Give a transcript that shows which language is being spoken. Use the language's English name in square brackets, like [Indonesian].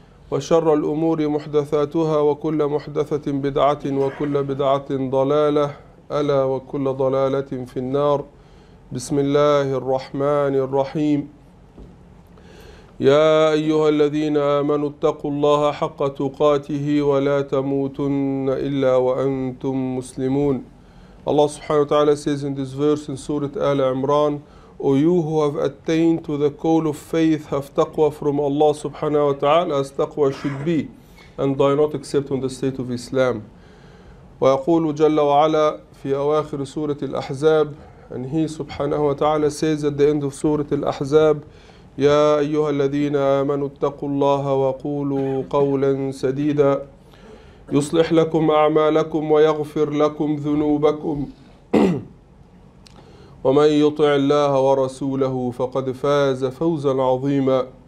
[Arabic] وشر الأمور محدثاتها وكل محدثة بدعة وكل بدعة ضلالة ألا وكل ضلالة في النار بسم الله الرحمن الرحيم يا أيها الذين آمنوا اتقوا الله حق تقاته ولا تموتن إلا وأنتم مسلمون. [English] Allah subhanahu wa ta'ala says in this verse in Surah Al Imran, O you who have attained to the call of faith, have taqwa from Allah subhanahu wa ta'ala as taqwa should be, and die not except on the state of Islam. [Arabic] ويقول جل وعلا في أواخر سورة الأحزاب, [English] and he subhanahu wa ta'ala says at the end of Surah Al Ahzab, [Arabic] يا أيها الذين آمنوا اتقوا الله وقولوا قولا سديدا يصلح لكم أعمالكم ويغفر لكم ذنوبكم ومن يطع الله ورسوله فقد فاز فوزا عظيما.